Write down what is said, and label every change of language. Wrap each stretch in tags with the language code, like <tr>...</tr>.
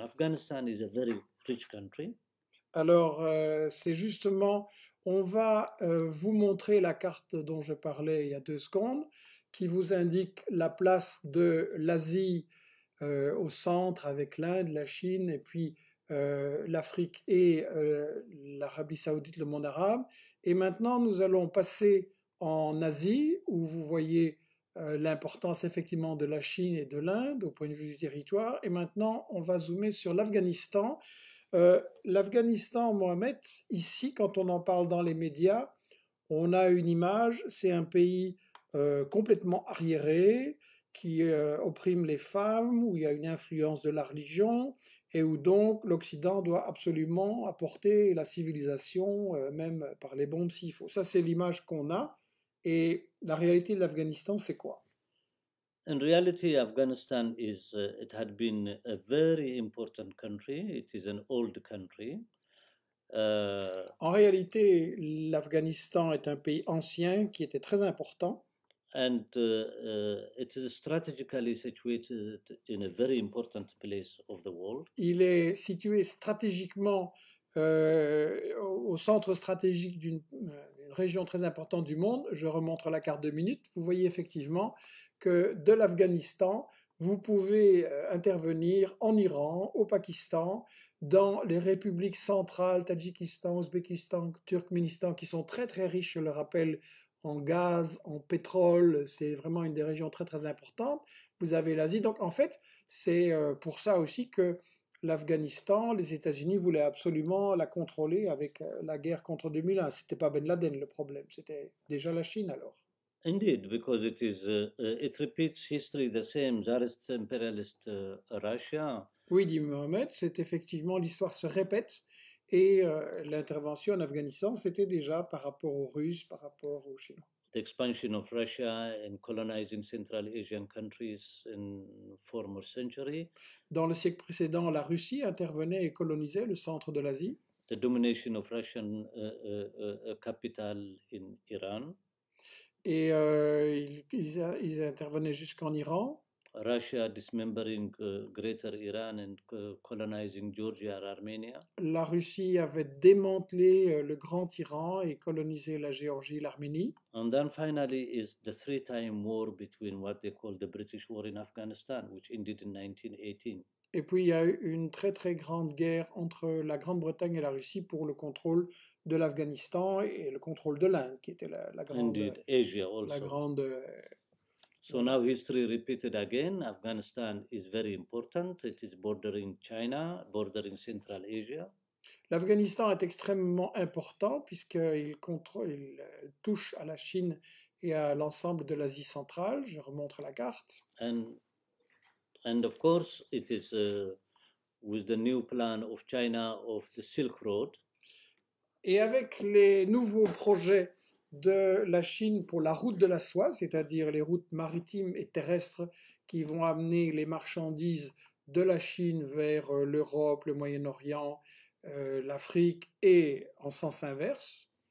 <en>Afghanistan is a very rich country.</en> <fr>Alors, c'est justement, on va vous montrer la carte dont je parlais il y a deux secondes, qui vous indique la place de l'Asie au centre avec l'Inde, la Chine et puis l'Afrique et l'Arabie Saoudite, le monde arabe. Et maintenant, nous allons passer en Asie, où vous voyez l'importance effectivement de la Chine et de l'Inde au point de vue du territoire. Et maintenant, on va zoomer sur l'Afghanistan. L'Afghanistan, Mohamed, ici, quand on en parle dans les médias, on a une image, c'est un pays complètement arriéré, qui opprime les femmes, où il y a une influence de la religion, et où donc l'Occident doit absolument apporter la civilisation, même par les bombes s'il faut. Ça, c'est l'image qu'on a. Et la réalité de l'Afghanistan, c'est quoi?</fr> <en>In reality, Afghanistan is it had been a very important country. It is an old country.</en> <fr>En réalité, l'Afghanistan est un pays ancien qui était très important.</fr> <en>And it is strategically situated in a very important place of the world.</en> <fr>Il est situé stratégiquement au centre stratégique d'une région très importante du monde. Je remontre la carte deux minutes. Vous voyez effectivement que de l'Afghanistan, vous pouvez intervenir en Iran, au Pakistan, dans les républiques centrales, Tadjikistan, Ouzbékistan, Turkménistan, qui sont très très riches, je le rappelle, en gaz, en pétrole. C'est vraiment une des régions très très importantes. Vous avez l'Asie. Donc en fait, c'est pour ça aussi que l'Afghanistan, les États-Unis voulaient absolument la contrôler avec la guerre contre 2001. Ce n'était pas Ben Laden le problème, c'était déjà la Chine alors.</fr> <en>Indeed, because it is it repeats history the same, Tsarist imperialist Russia.</en> <fr>Oui, dit Mohamed, c'est effectivement, l'histoire se répète, et l'intervention en Afghanistan, c'était déjà par rapport aux Russes, par rapport aux Chinois.</fr> <en>The expansion of Russia and colonizing Central Asian countries in former century.</en> <fr>Dans le siècle précédent, la Russie intervenait et colonisait le centre de l'Asie.</fr> <en>The domination of Russian capital in Iran.</en> <fr>Et ils intervenaient jusqu'en Iran.</fr> <en>Russia dismembering Greater Iran and colonizing Georgia or Armenia.</en> <fr>La Russie avait démantelé le Grand Iran et colonisé la Géorgie, l'Arménie.</fr> <en>And then finally is the three-time war between what they call the British War in Afghanistan, which ended in 1918.</en> <fr>Et puis il y a eu une très très grande guerre entre la Grande-Bretagne et la Russie pour le contrôle de l'Afghanistan et le contrôle de l'Inde, qui était la grande.</fr> <en>Indeed, Asia also.</en> <fr>La grande.</fr> <en>So now history repeated again. Afghanistan is very important. It is bordering China, bordering Central Asia.</en> <fr>L'Afghanistan est extrêmement important puisqu'il il touche à la Chine et à l'ensemble de l'Asie centrale. Je remontre la carte.</fr> <en>And of course, it is with the new plan of China of the Silk Road.</en> <fr>Et avec les nouveaux projets de la Chine pour la route de la soie, c'est-à-dire les routes maritimes et terrestres qui vont amener les marchandises de la Chine vers l'Europe, le Moyen-Orient, l'Afrique et en sens inverse.</fr>